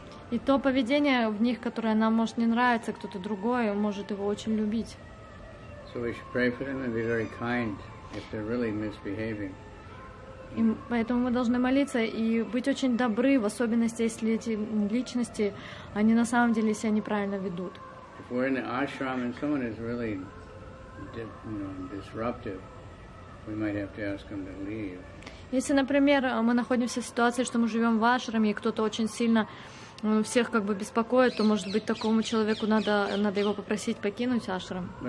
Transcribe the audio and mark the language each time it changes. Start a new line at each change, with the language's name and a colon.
Russian: И то поведение в них, которое нам может не нравиться, кто-то другой может его очень любить.
English: So we should pray for them and be very kind if they're really misbehaving.
Russian: И поэтому мы должны молиться и быть очень добры, в особенности если эти личности, они на самом деле себя неправильно ведут.
English: If we're in an ashram and someone is really, you know, disruptive, we might have to ask them to leave.
Russian: Если, например, мы находимся в ситуации, что мы живем в ашраме, и кто-то очень сильно всех как бы беспокоит, то, может быть, такому человеку надо его попросить покинуть ашрам.